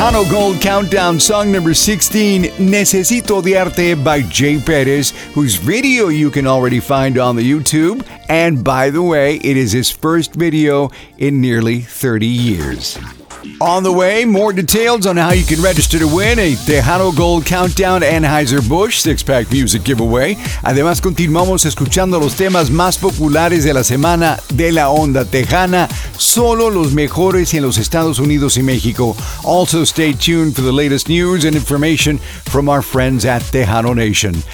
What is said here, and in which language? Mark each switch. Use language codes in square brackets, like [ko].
[en] Gold Countdown song number 16, Necesito Odiarte by Jay Perez, whose video you can already find on the YouTube. And by the way, it is his first video in nearly 30 years. On the way, more details on how you can register to win a Tejano Gold Countdown Anheuser-Busch six-pack music giveaway. [es] Además, continuamos escuchando los temas más populares de la semana de la onda tejana, solo los mejores en los Estados Unidos y México. [en] Also, stay tuned for the latest news and information from our friends at Tejano Nation.